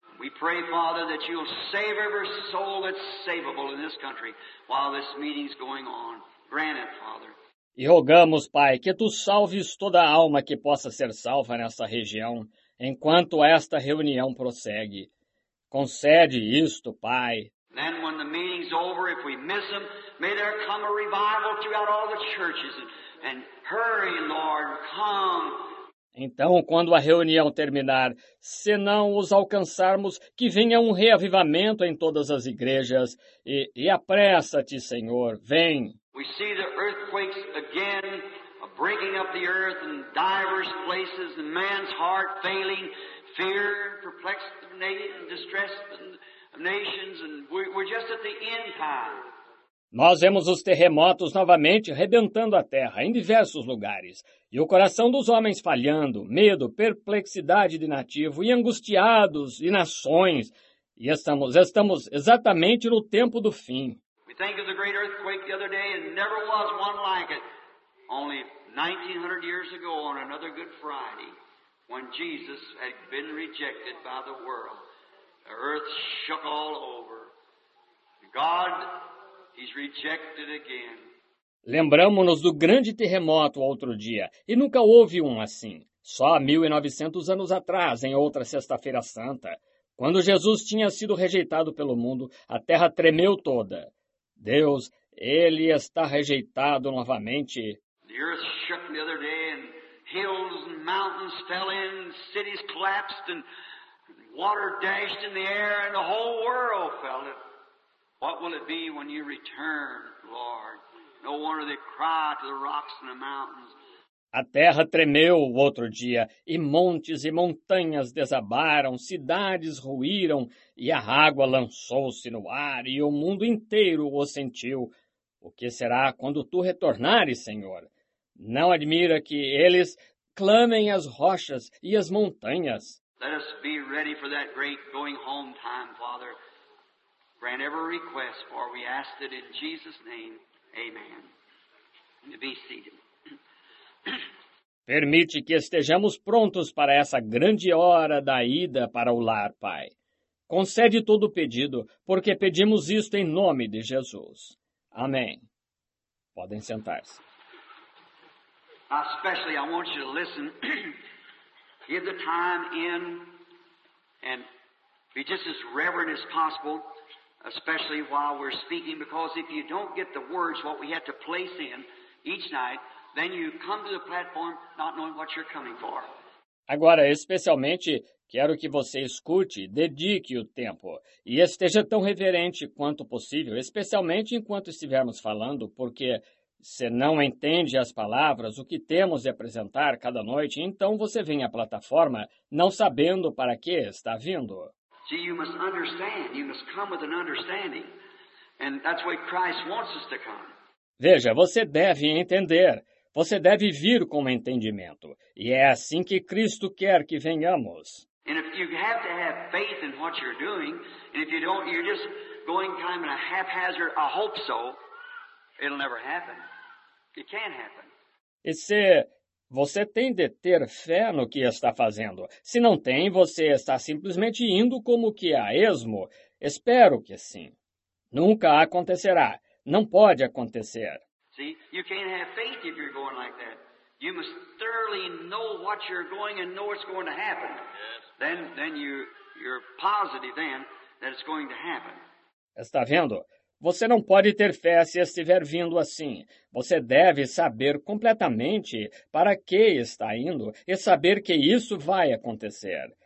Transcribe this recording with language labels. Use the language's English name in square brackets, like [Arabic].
[English] We pray, Father, that you'll save every soul that's savable in this country while this meeting's going on. Grant it, Father. [Portuguese] E rogamos, Pai, que Tu salves toda a alma que possa ser salva nessa região, enquanto esta reunião prossegue. Concede isto, Pai. [English] Then when the meeting's over, if we miss them, may there come a revival throughout all the churches. And hurry, Lord, come. [Portuguese] Então, quando a reunião terminar, se não os alcançarmos, que venha um reavivamento em todas as igrejas. E apressa-te, Senhor, vem. [English] We see the earthquakes again, breaking up the earth in diverse places, and man's heart failing, fear, perplexed, and distressed, nations, and we're just at the end time. [Portuguese] Nós vemos os terremotos novamente rebentando a terra em diversos lugares, e o coração dos homens falhando, medo, perplexidade de nativo, e angustiados, e nações, e estamos exatamente no tempo do fim. [English] We think of the great earthquake the other day, and never was one like it, only 1900 years ago on another Good Friday, when Jesus had been rejected by the world. The earth shook all over. God, He's rejected again. [Portuguese] Lembramos-nos do grande terremoto outro dia, e nunca houve um assim. Só há 1900 anos atrás, em outra Sexta-feira Santa, quando Jesus tinha sido rejeitado pelo mundo, a terra tremeu toda. Deus, Ele está rejeitado novamente. [English] The earth shook the other day, and hills and mountains fell in, cities collapsed, and water dashed in the air, and the whole world fell. What will it be when you return, Lord? No wonder they cry to the rocks and the mountains. [Portuguese] A terra tremeu o outro dia, e montes e montanhas desabaram, cidades ruíram, e a água lançou-se no ar, e o mundo inteiro o sentiu. O que será quando tu retornares, Senhor? Não admira que eles clamem as rochas e as montanhas. [English] Let us be ready for that great going home time, Father. Grant every request, for we ask it in Jesus' name. Amen. And be seated. [Portuguese] Permite que estejamos prontos para essa grande hora da ida para o lar, Pai. Concede todo o pedido, porque pedimos isto em nome de Jesus. Amém. Podem sentar-se. [English] Especially I want you to listen. Give the time in and be just as reverent as possible, especially while we're speaking, because if you don't get the words what we have to place in each night, then you come to the platform not knowing what you're coming for. [Portuguese] Agora, especialmente, quero que você escute, dedique o tempo e esteja tão reverente quanto possível, especialmente enquanto estivermos falando, porque se não entende as palavras, o que temos de apresentar cada noite, então você vem à plataforma não sabendo para que está vindo. [English] See, you must understand. You must come with an understanding. And that's why Christ wants us to come. [Portuguese] Veja, você deve entender. Você deve vir com entendimento. E é assim que Cristo quer que venhamos. [English] And if you have to have faith in what you're doing, and if you don't, you're just going kind of in a haphazard, I hope so. It'll never happen. It can't happen. [Portuguese] E se você tem de ter fé no que está fazendo. Se não tem, você está simplesmente indo como que a esmo. Espero que sim. Nunca acontecerá. Não pode acontecer. [English] See, you can't have faith if you're going like that. You must thoroughly know what you're going and know it's going to happen. Yes. Then you're positive then that it's going to happen. [Portuguese] Está vendo? Você não pode ter fé se estiver vindo assim. Você deve saber completamente para que está indo e saber que isso vai acontecer.